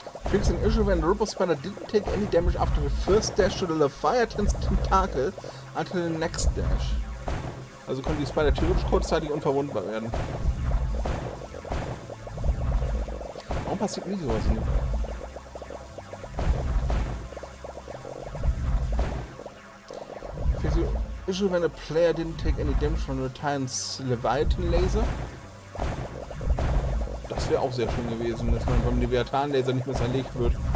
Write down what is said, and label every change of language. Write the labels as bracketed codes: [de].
[en] Fix an issue when the Robo Spider didn't take any damage after the first dash to the Leviathan's tentacle until the next dash. [de] Also könnte die Spider theoretisch kurzzeitig unverwundbar werden. Warum passiert nie sowas nicht? [en] Issue when a player didn't take any damage from the Titan's Leviathan Laser. [de] Das wäre auch sehr schön gewesen, dass man vom Leviathan Laser nicht mehr zerlegt wird.